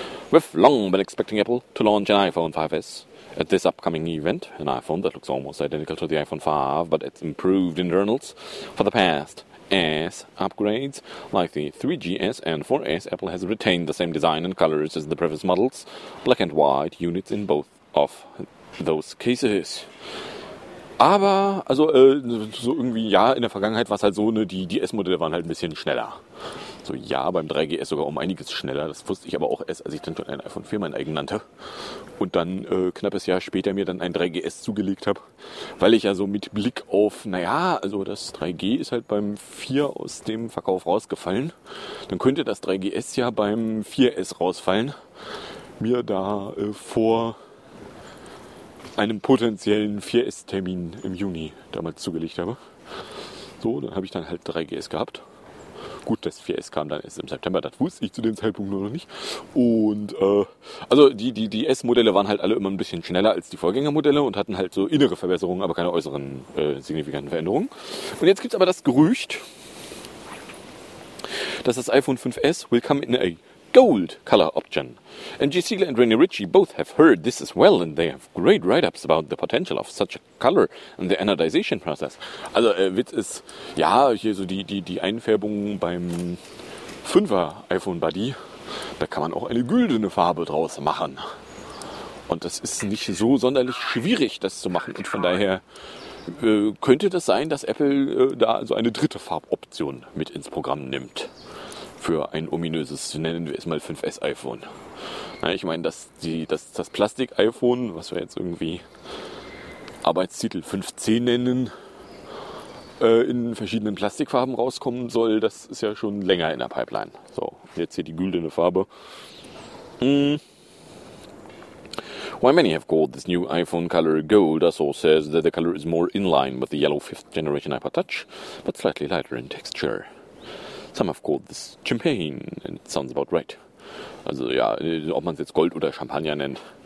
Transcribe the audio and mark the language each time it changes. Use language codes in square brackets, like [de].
[en] We've long been expecting Apple to launch an iPhone 5S at this upcoming event, an iPhone that looks almost identical to the iPhone 5, but it's improved internals. For the past S upgrades, like the 3GS and 4S, Apple has retained the same design and colors as the previous models, black and white units in both of those cases. [de] Aber, also, so irgendwie, ja, in der Vergangenheit war es halt so, ne, die S-Modelle waren halt ein bisschen schneller. So, ja, beim 3GS sogar um einiges schneller. Das wusste ich aber auch erst, als ich dann schon ein iPhone 4 mein eigen nannte. Und dann knappes Jahr später mir dann ein 3GS zugelegt habe. Weil ich ja so mit Blick auf, naja, also das 3G ist halt beim 4 aus dem Verkauf rausgefallen. Dann könnte das 3GS ja beim 4S rausfallen. Mir da vor einem potenziellen 4S-Termin im Juni damals zugelegt habe. So, dann habe ich dann halt 3GS gehabt. Gut, das 4S kam dann erst im September, das wusste ich zu dem Zeitpunkt nur noch nicht. Und, also die S-Modelle waren halt alle immer ein bisschen schneller als die Vorgängermodelle und hatten halt so innere Verbesserungen, aber keine äußeren signifikanten Veränderungen. Und jetzt gibt es aber das Gerücht, dass das iPhone 5S [en] will come in a gold color option. And G. Siegler and Rene Ritchie both have heard this as well, and they have great write-ups about the potential of such a color and the anodization process. [de] Also, Witz ist, ja, hier so die Einfärbung beim 5er iPhone Buddy, da kann man auch eine güldene Farbe draus machen. Und das ist nicht so sonderlich schwierig, das zu machen. Und von daher könnte das sein, dass Apple da so eine dritte Farboption mit ins Programm nimmt. Für ein ominöses, nennen wir es mal 5S-iPhone. Na, ich meine, das Plastik-iPhone, was wir jetzt irgendwie Arbeitstitel 5C nennen, in verschiedenen Plastikfarben rauskommen soll, das ist ja schon länger in der Pipeline. So, jetzt hier die güldene Farbe. [en] Why many have called this new iPhone color gold, Asso says that the color is more in line with the yellow 5th generation iPod Touch, but slightly lighter in texture. Some have called this champagne, and it sounds about right. [de] Also ja, ob man es jetzt Gold oder Champagner nennt.